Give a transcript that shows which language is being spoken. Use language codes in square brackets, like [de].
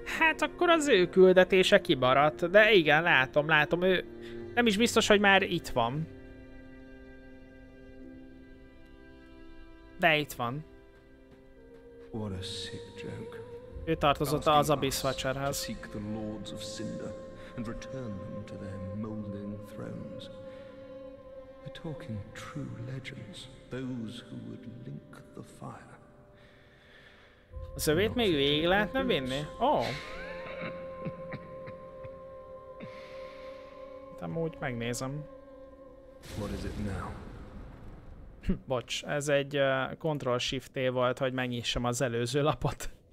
[hu] Hát akkor az ő küldetése kibaradt. De igen, látom. Ő nem is biztos, hogy már itt van. De itt van. [en] What a sick joke. [hu] Ő tartozott az Abyss Watcherhez. [en] To seek the Lords of Cinder and return them to their molding thrones. We're talking true legends, those who would link the fire. [hu] Az övét még végig lehetne vinni? Oh! De amúgy megnézem. [en] What is it now? [hu] Bocs, ez egy Ctrl-Shift-T volt, hogy megnyissam az előző lapot.